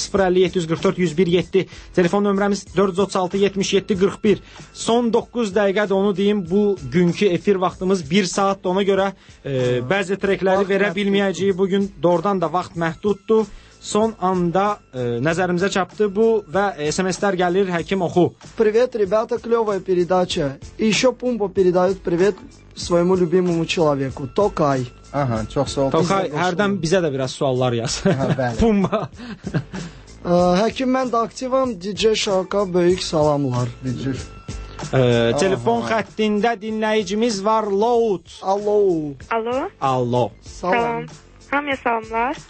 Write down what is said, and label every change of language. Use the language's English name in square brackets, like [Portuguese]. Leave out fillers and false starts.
[Azerbaijani] 050-744-1017. Telefon nömrəmiz 436-77-41. Son 9 dəqiqədə onu deyim, bu günkü efir vaxtımız 1 saatdır. Ona görə bəzi trekləri verə bilməyəcəyi bugün doğrudan da vaxt məhduddur. Son anda nəzərimizə çapdı bu və SMS-lər gəlir, həkim oxu. [Russian] Привет, ребята, клёвая передача. И ещё Пумба передаёт привет своему любимому человеку, Tokay. [Azerbaijani] Aha, çox sağ ol. Tokay, hərdən bizə də biraz suallar yaz. Bəli. Pumba. Həkim, mən də aktivam. DJ Şaka, böyük salamlar. DJ. Telefon xəttində dinləyicimiz var, Loud. Alo. Alo. Alo. Salam. Hamıya salamlar.